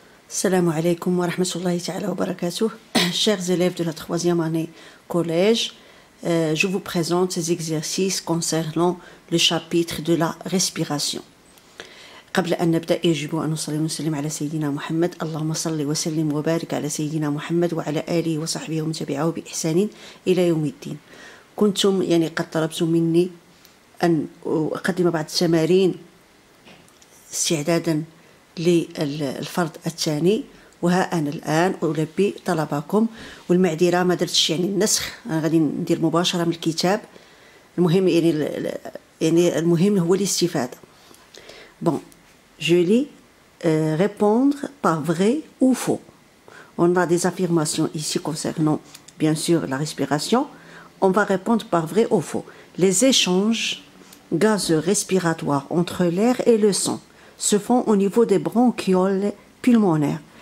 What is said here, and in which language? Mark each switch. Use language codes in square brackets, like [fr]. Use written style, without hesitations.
[ar] السلام عليكم ورحمة الله تعالى وبركاته. [fr] chers élèves de la troisième année collège, je vous présente ces exercices concernant le chapitre de la respiration. [ar] قبل أن نبدأ يجب أن نصلي ونسلم على سيدنا محمد. اللهم صل وسلم وبارك على سيدنا محمد وعلى آله وصحبه ومن تبعه بإحسان إلى يوم الدين. كنتم يعني قد طلبتم مني أن أقدم بعض التمارين استعدادا للفرض الثاني، وها أنا الآن ألبي طلبكم. والمعذرة ما درتش يعني النسخ، أنا غادي ندير مباشرة من الكتاب. المهم يعني المهم هو الاستفادة. [fr] بون je lis répondre par vrai ou faux. On a des affirmations ici concernant bien sûr la respiration. On va répondre par vrai ou faux. Les échanges gaz respiratoires entre l'air et le sang se font au niveau des bronchioles pulmonaires.